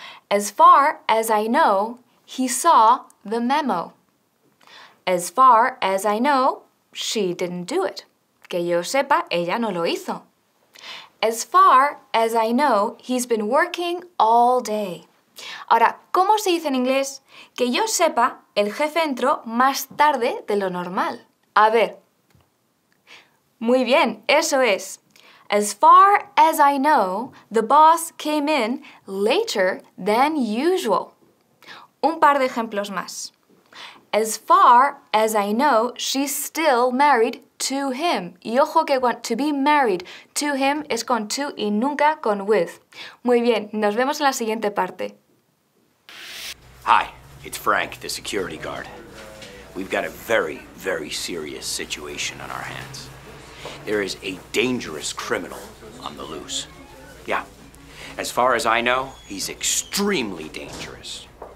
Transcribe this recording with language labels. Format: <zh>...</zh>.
<en>As far as I know, he saw the memo. As far as I know, she didn't do it.</en> <es>Que yo sepa, ella no lo hizo.</es> <en>As far as I know, he's been working all day.</en> <es>Ahora, ¿cómo se dice en inglés? Que yo sepa, el jefe entró más tarde de lo normal. A ver. Muy bien, eso es.</es> <en>As far as I know, the boss came in later than usual.</en> <es>Un par de ejemplos más.</es> <en>As far as I know, she's still married to him.</en> <es>Y ojo que</es> <en>to be married to him</en> <es>es con to y nunca con with. Muy bien, nos vemos en la siguiente parte.</es> <en>Hi, it's Frank, the security guard. We've got a very, very serious situation on our hands. there is a dangerous criminal on the loose. Yeah, as far as I know, he's extremely dangerous.</en>